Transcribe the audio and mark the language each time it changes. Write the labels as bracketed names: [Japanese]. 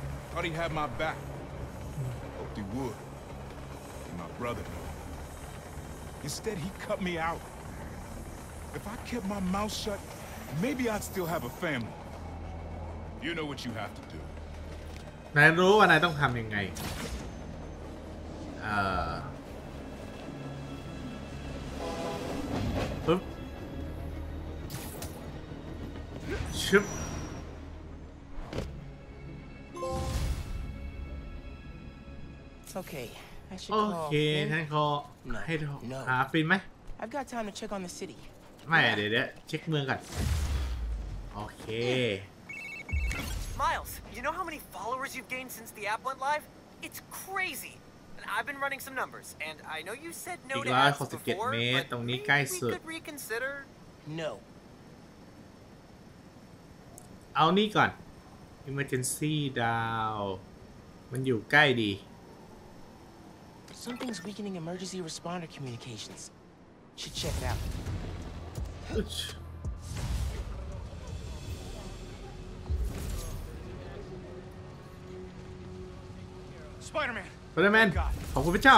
[English] Thought he had my back. Hoped he would. He's my brother. Instead, he cut me out. If I kept my mouth shut, maybe I'd still have a family. You know what you have to do. [Thai] นายรู้ว่านายต้องทำยังไงปึ๊บชึบ โอเค ท่านขอให้หาปินไหม [English] I've got time to check on the city [Thai] ไม่เดี๋ยวเช็คเมืองก่อนโอเค [English] Miles you know how many followers you've gained since the app went live it's crazy and I've been running some numbers and I know you said no to ads before [Thai] ตรงนี้ใกล้สุด [English] reconsider no [Thai] เอานี่ก่อน emergency dial มันอยู่ใกล้ดี [English] Something's weakening emergency responder communications. Should check it out. Spider-Man. Spider-Man. [Thai] ขอบคุณพระเจ้า